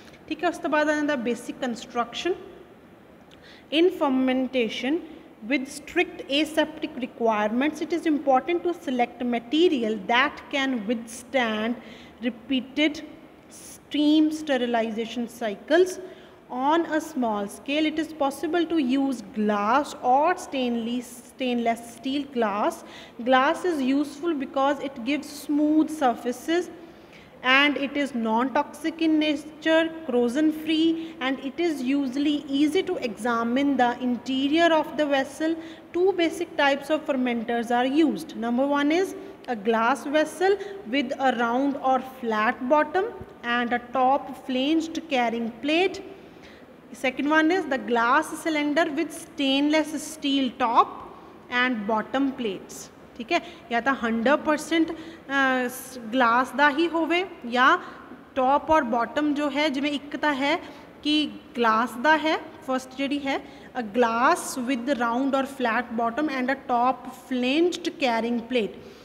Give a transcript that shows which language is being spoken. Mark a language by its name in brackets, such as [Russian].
[Punjabi] ਠੀਕ ਹੈ, ਉਸ ਤੋਂ ਬਾਅਦ ਆ ਜਾਂਦਾ [English] Basic construction in fermentation with strict aseptic requirements, it is important to select material that can withstand repeated steam sterilisation cycles on a small scale. It is possible to use glass or stainless steel glass. Glass is useful because it gives smooth surfaces and it is non-toxic in nature, corrosion free, and it is usually easy to examine the interior of the vessel. Two basic types of fermenters are used. Number one is a glass vessel with a round or flat bottom and a top flanged carrying plate. Second one is the glass cylinder with stainless steel top and bottom plates. [Punjabi] ਠੀਕ ਹੈ, ਜਾਂ ਤਾਂ 100% glass ਦਾ ਹੀ ਹੋਵੇ ਜਾਂ top ਔਰ bottom ਜੋ ਹੈ, ਜਿਵੇਂ ਇੱਕ ਤਾਂ ਹੈ ਕਿ ਗਲਾਸ ਦਾ ਹੈ ਫਸਟ ਜਿਹੜੀ ਹੈ, [English] A glass with round or flat bottom and a top flanged carrying plate.